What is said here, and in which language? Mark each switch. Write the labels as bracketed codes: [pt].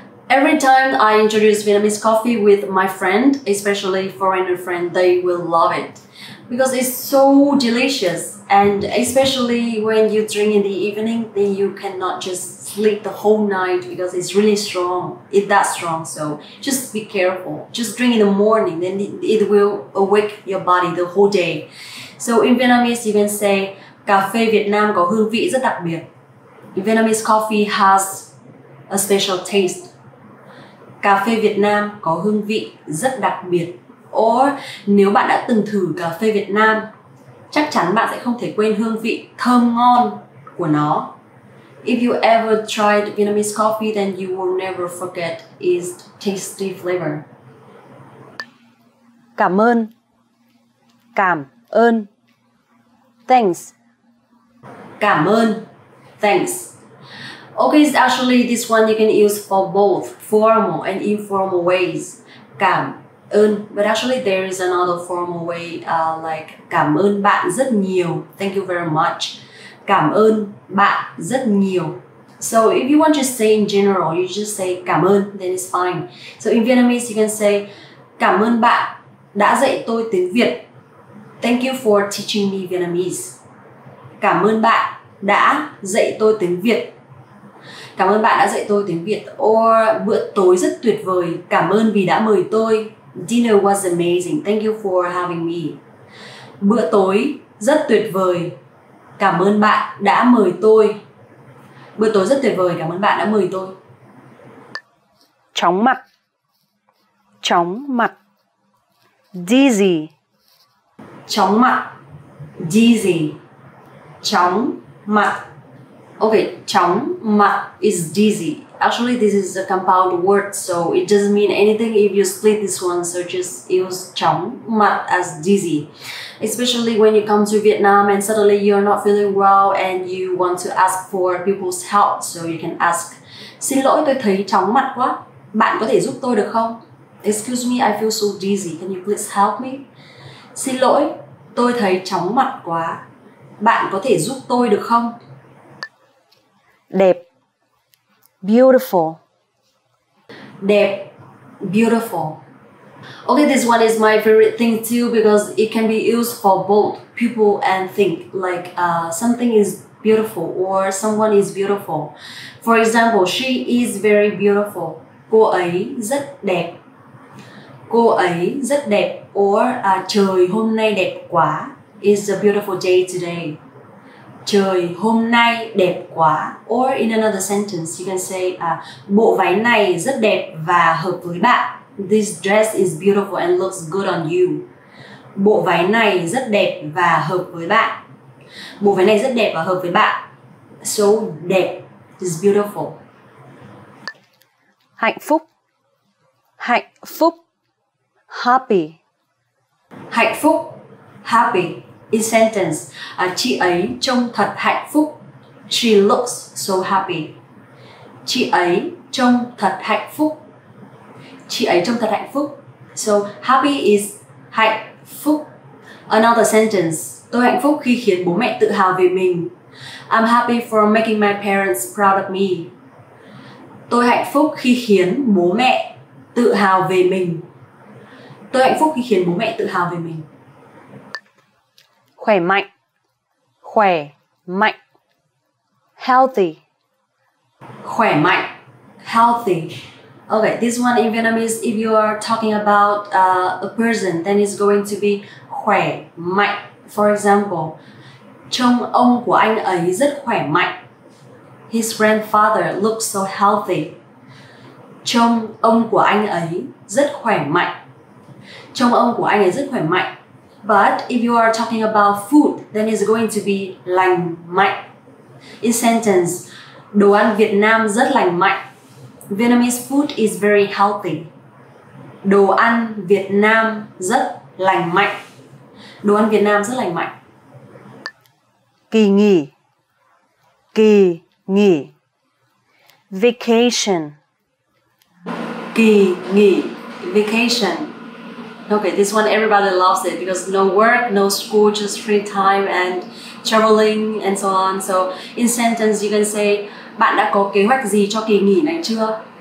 [en] Every time I introduce Vietnamese coffee with my friend, especially foreigner friend, they will love it because it's so delicious. And especially when you drink in the evening, then you cannot just sleep the whole night because it's really strong. It's that strong. So just be careful. Just drink in the morning, then it will awake your body the whole day. So in Vietnamese, you can say [vi] cà phê Việt Nam có hương vị rất đặc biệt. [en] Vietnamese coffee has a special taste. [vi] Cà phê Việt Nam có hương vị rất đặc biệt. Or nếu bạn đã từng thử cà phê Việt Nam, chắc chắn bạn sẽ không thể quên hương vị thơm ngon của nó. [en] If you ever tried Vietnamese coffee, then you will never forget its tasty flavor. [vi] Cảm ơn. Cảm ơn. [en] Thanks. [vi] Cảm ơn. [en] Thanks. Okay, actually this one you can use for both formal and informal ways. Cảm ơn. But actually there is another formal way like [vi] cảm ơn bạn rất nhiều. [en] Thank you very much. [vi] Cảm ơn bạn rất nhiều. [en] So if you want to say in general, you just say cảm ơn, then it's fine. So in Vietnamese you can say [vi] cảm ơn bạn đã dạy tôi tiếng Việt. [en] Thank you for teaching me Vietnamese. [vi] Cảm ơn bạn đã dạy tôi tiếng Việt. Cảm ơn bạn đã dạy tôi tiếng Việt. Or bữa tối rất tuyệt vời. Cảm ơn vì đã mời tôi. [en] Dinner was amazing. Thank you for having me. [vi] Bữa tối rất tuyệt vời. Cảm ơn bạn đã mời tôi. Bữa tối rất tuyệt vời. Cảm ơn bạn đã mời tôi. Chóng mặt. Chóng mặt. Dizzy. Chóng mặt. Dizzy. Chóng mặt. [en] Okay, chóng mặt is dizzy. Actually, this is a compound word, so it doesn't mean anything if you split this one. So just use chóng mặt as dizzy. Especially when you come to Vietnam and suddenly you're not feeling well and you want to ask for people's help. So you can ask, [vi] xin lỗi tôi thấy chóng mặt quá. Bạn có thể giúp tôi được không? [en] Excuse me, I feel so dizzy. Can you please help me? [vi] Xin lỗi, tôi thấy chóng mặt quá. Bạn có thể giúp tôi được không? Đẹp. Beautiful. Đẹp. Beautiful. [en] Okay, this one is my favorite thing too because it can be used for both people and thing. Like something is beautiful or someone is beautiful. For example, she is very beautiful. [vi] Cô ấy rất đẹp. Cô ấy rất đẹp. Or trời hôm nay đẹp quá. [en] It's a beautiful day today. [vi] Trời hôm nay đẹp quá. [en] Or in another sentence, you can say [vi] bộ váy này rất đẹp và hợp với bạn. [en] This dress is beautiful and looks good on you. [vi] Bộ váy này rất đẹp và hợp với bạn. Bộ váy này rất đẹp và hợp với bạn. [en] So đẹp is beautiful. [vi] Hạnh phúc. Hạnh phúc. Happy. Hạnh phúc. Happy. [en] In sentence, [vi] chị ấy trông thật hạnh phúc. [en] She looks so happy. [vi] Chị ấy trông thật hạnh phúc. Chị ấy trông thật hạnh phúc. [en] So happy is [vi] hạnh phúc. [en] Another sentence, [vi] tôi hạnh phúc khi khiến bố mẹ tự hào về mình. [en] I'm happy for making my parents proud of me. [vi] Tôi hạnh phúc khi khiến bố mẹ tự hào về mình. Tôi hạnh phúc khi khiến bố mẹ tự hào về mình. Khỏe mạnh. Khỏe mạnh. Healthy. Khỏe mạnh. Healthy. [en] Okay, this one in Vietnamese, if you are talking about a person, then it's going to be khỏe mạnh. For example, [vi] trông ông của anh ấy rất khỏe mạnh. [en] His grandfather looks so healthy. [vi] Trông ông của anh ấy rất khỏe mạnh. Trông ông của anh ấy rất khỏe mạnh. [en] But if you are talking about food, then it's going to be lành mạnh. In sentence, [vi] đồ ăn Việt Nam rất lành mạnh. [en] Vietnamese food is very healthy. [vi] Đồ ăn Việt Nam rất lành mạnh. Đồ ăn Việt Nam rất lành mạnh. Kỳ nghỉ. Kỳ nghỉ. Vacation. Kỳ nghỉ. Vacation. [en] Okay, this one everybody loves it because no work, no school, just free time and traveling and so on. So in sentence you can say, [vi] bạn đã có kế hoạch gì cho kỳ nghỉ này chưa?